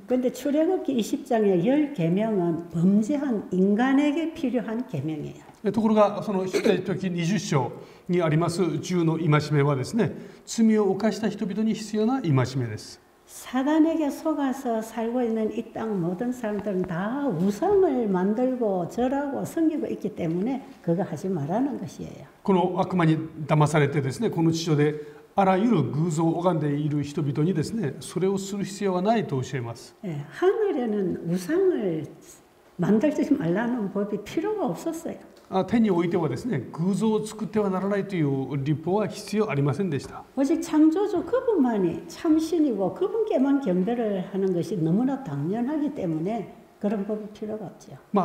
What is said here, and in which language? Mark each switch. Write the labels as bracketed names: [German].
[Korean] 근데 출애굽기 20장의 열 계명은 범죄한 인간에게 필요한 계명이에요. [Japanese] ところがその出エジプト記20章にあります10の戒めはですね、罪を犯した人々に必要な戒めです。 [Korean] 사단에게 속아서 살고 있는 이 땅 모든 사람들은 다 우상을 만들고 절하고 섬기고 있기 때문에 그거 하지 말라는 것이에요. [Japanese] この悪魔に騙されてですね、この地上であらゆる偶像を拝んでいる人々にですね、それをする必要はないと教えます。 [Korean] 하늘에는 우상을 만들지 말라는 법이 필요가 없었어요. [Japanese] 手においてはですね、偶像を作ってはならないという律法は必要ありませんでした。 [Korean] 오직 창조주 그분만이 참신이고 그분께만 경배를 하는 것이 너무나 당연하기 때문에 그런 법이 필요가 없죠.